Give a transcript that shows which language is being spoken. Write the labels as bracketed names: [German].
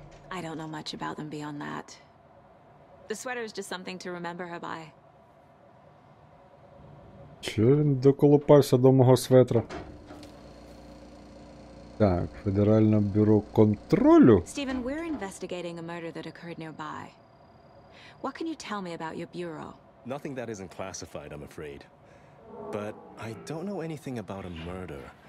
[English] I don't know much about them beyond that. The sweater is just something to remember her by. [Ukrainian] Чи він доколупався до мого светра? Так, Федеральне бюро контролю. [English] Стівен, we're investigating a murder that occurred nearby. What can you tell me about your bureau? Nothing that isn't classified, I'm afraid. But I don't know anything about a murder.